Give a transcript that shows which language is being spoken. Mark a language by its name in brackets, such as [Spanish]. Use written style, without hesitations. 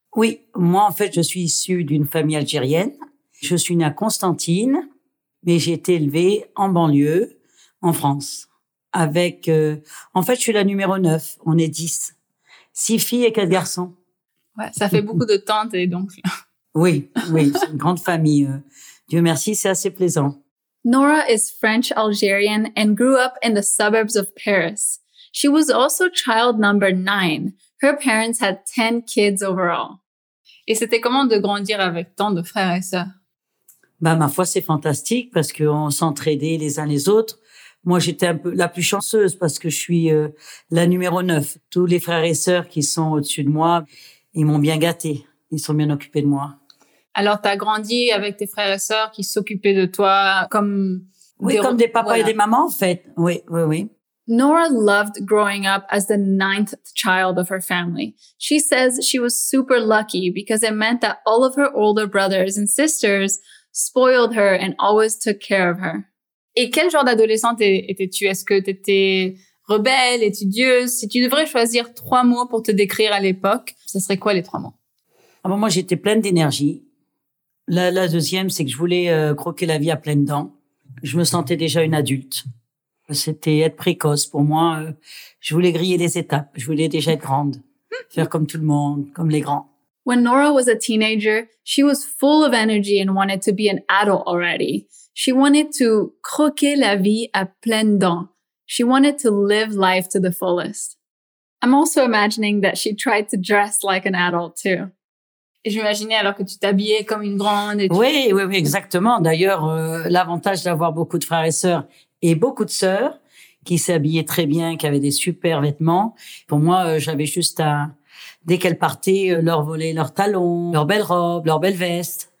[French] Oui, moi, en fait, je suis issue d'une famille algérienne. Je suis née à Constantine, mais j'ai été élevée en banlieue, en France. Je suis la numéro 9, on est 10. 6 filles et 4 garçons. Ouais, ça fait beaucoup de tantes et donc... Oui, oui, c'est une grande famille. Dieu merci, c'est assez plaisant. [English] Nora is French-Algerian and grew up in the suburbs of Paris. She was also child number 9. Her parents had 10 kids overall. [French] Et c'était comment de grandir avec tant de frères et sœurs? Ben, ma foi, c'est fantastique parce qu'on s'entraidait les uns les autres. Moi, j'étais un peu la plus chanceuse parce que je suis la numéro 9. Tous les frères et sœurs qui sont au-dessus de moi, ils m'ont bien gâtée. Ils sont bien occupés de moi. Alors, tu as grandi avec tes frères et sœurs qui s'occupaient de toi comme... Oui, comme des papas et des mamans, en fait. Oui, oui, oui. [English] Nora loved growing up as the 9th child of her family. She says she was super lucky because it meant that all of her older brothers and sisters spoiled her and always took care of her. [French] Et quel genre d'adolescente étais-tu? Est-ce que tu étais rebelle, étudieuse? Si tu devrais choisir 3 mots pour te décrire à l'époque, ce serait quoi les 3 mots? Moi, j'étais pleine d'énergie. La deuxième, c'est que je voulais croquer la vie à pleines dents. Je me sentais déjà une adulte. C'était être précoce. Pour moi, je voulais griller les étapes. Je voulais déjà être grande, faire comme tout le monde, comme les grands. [English] When Nora was a teenager, she was full of energy and wanted to be an adult already. She wanted to [French] croquer la vie à pleines dents. [English] She wanted to live life to the fullest. I'm also imagining that she tried to dress like an adult too. [French] Et j'imaginais alors que tu t'habillais comme une grande. Et tu... Oui, oui, oui, exactement. D'ailleurs, l'avantage d'avoir beaucoup de frères et sœurs et beaucoup de sœurs qui s'habillaient très bien, qui avaient des super vêtements. Pour moi, j'avais juste à, dès qu'elles partaient, leur voler leurs talons, leurs belles robes, leurs belles vestes.